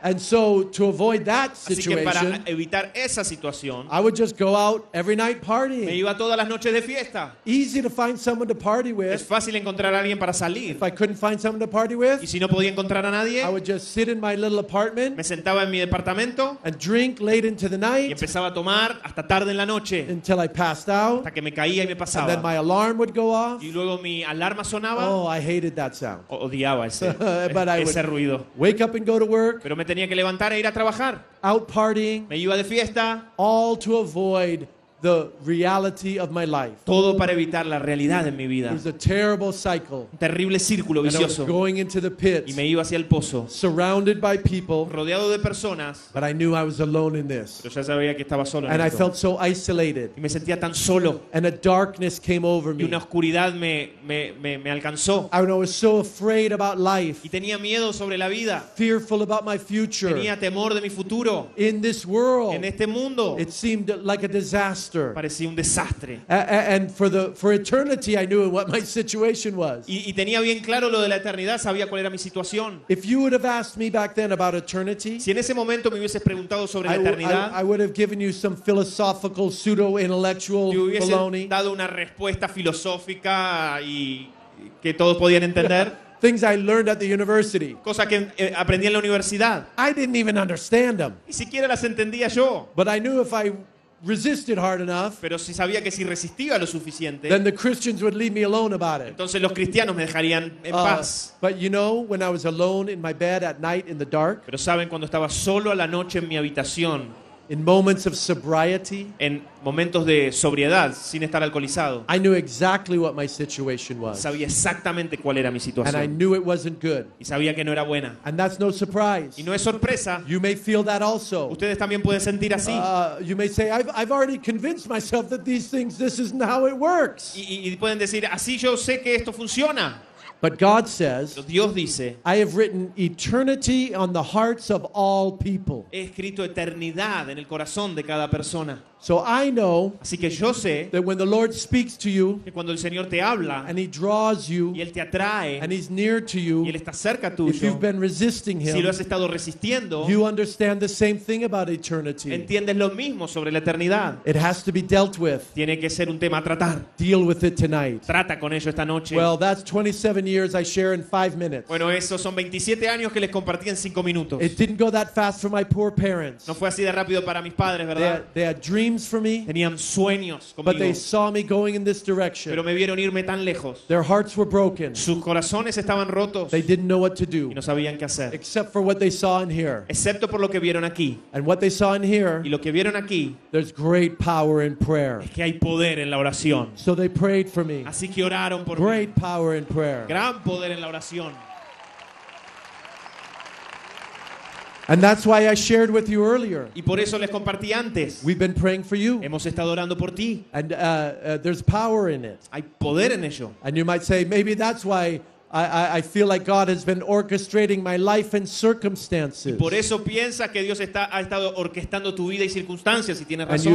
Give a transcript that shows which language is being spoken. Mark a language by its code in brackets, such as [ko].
[en] And so to avoid that situation, [es] así que para evitar esa situación, [en] I would just go out every night partying. [es] Me iba todas las noches de fiesta. [en] Easy to find someone to party with. [es] Es fácil encontrar a alguien para salir. [en] If I couldn't find someone to party with, [es] y si no podía encontrar a nadie, [en] I would just sit in my little apartment. [es] Me sentaba en mi departamento. [en] And drink late into the night. [es] Y empezaba a tomar hasta tarde en la noche. [en] Until I passed out. [es] Hasta que me caía y me pasaba. [en] And then my alarm would go off. [es] Y luego mi alarma sonaba. [en] Oh, I hated that sound. [es] Odiaba ese, [en] but I [es] ese ruido. [en] Wake up and go to work. [es] Pero me tenía que levantar e ir a trabajar. [en] Out partying. [es] Me iba de fiesta. [en] All to avoid the reality of my life. [es] Todo para evitar la realidad en mi vida. [en] It was a terrible cycle. [es] Un terrible círculo vicioso. [en] And I was going into the pits. [es] Y me iba hacia el pozo. [en] Surrounded by people. [es] Rodeado de personas. [en] But I knew I was alone in this. [es] Pero ya sabía que estaba solo en [en] and [es] esto. [en] I felt so isolated. [es] Y me sentía tan solo. [en] And a darkness came over me. [es] Y una oscuridad me alcanzó. [en] I was so afraid about life. [es] Y tenía miedo sobre la vida. [en] Fearful about my future. [es] Tenía temor de mi futuro. [en] In this world. [es] En este mundo. [en] It seemed like a disaster. disaster. [es] Parecía un desastre. [en] And for eternity I knew what my situation was. [es] Y tenía bien claro lo de la eternidad, sabía cuál era mi situación. [en] If you would have asked me back then about eternity, [es] si en ese momento me hubieses preguntado sobre la eternidad, [en] I would have given you some philosophical pseudo intellectual baloney. [es] Te hubiese dado una respuesta filosófica y que todos podían entender. [en] Things I learned at the university. [es] Cosa que aprendí en la universidad. [en] I didn't even understand them. [es] Ni siquiera las entendía yo. [en] But I knew if I resisted hard enough. [es] Pero si sabía que si resistía lo suficiente. [en] Then the Christians would leave me alone about it. [es] Entonces los cristianos me dejarían en paz. [en] But you know, when I was alone in my bed at night in the dark. [es] Pero saben, cuando estaba solo a la noche en mi habitación. [en] In moments of sobriety, [es] en momentos de sobriedad, sin estar alcoholizado, [en] I knew exactly what my situation was. [es] Sabía exactamente cuál era mi situación. [en] And I knew it wasn't good. [es] Y sabía que no era buena. [en] And that's no surprise. [es] Y no es sorpresa. [en] You may feel that also. [es] Ustedes también pueden sentir así. [en] You may say, I've already convinced myself that these things, this is how it works. [es] Y pueden decir, así yo sé que esto funciona. [en] But God says, [es] Dios dice, [en] I have written eternity on the hearts of all people. [es] He escrito eternidad en el corazón de cada persona. [en] So I know, [es] así que yo sé, [en] that when the Lord speaks to you, [es] que cuando el Señor te habla, [en] and He draws you, [es] y Él te atrae, [en] and He's near to you, [es] y Él está cerca tuyo, [en] if you've been resisting Him, [es] si lo has estado resistiendo, [en] you understand the same thing about eternity. [es] Entiendes lo mismo sobre la eternidad. [en] It has to be dealt with. [es] Tiene que ser un tema a tratar. [en] Deal with it tonight. [es] Trata con ello esta noche. [en] Well, that's 27 years I share in 5 minutes. [es] Bueno, esos son 27 años que les compartí en 5 minutos. [en] It didn't go that fast for my poor parents. [es] No fue así de rápido para mis padres, ¿verdad? [en] They had dreams for me. [es] Tenían sueños conmigo. [en] But they saw me going in this direction. [es] Pero me vieron irme tan lejos. [en] Their hearts were broken. [es] Sus corazones estaban rotos. [en] They didn't know what to do. [es] Y no sabían qué hacer. [en] Except for what they saw in here. [es] Excepto por lo que vieron aquí. [en] And what they saw in here. [es] Y lo que vieron aquí. [en] There's great power in prayer. [es] Es que hay poder en la oración. [en] So they prayed for me. [es] Así que oraron por [en] great [es] mí. [en] Great power in prayer. [es] Gran poder en la oración. [en] And that's why I shared with you earlier. [es] Y por eso les compartí antes. [en] We've been praying for you. [es] Hemos estado orando por ti. [en] And there's power in it. [es] Hay poder en ello. [en] And you might say, maybe that's why I feel like God has been orchestrating my life and circumstances. [es] Y por eso piensas que Dios está ha estado orquestando tu vida y circunstancias, y tienes razón.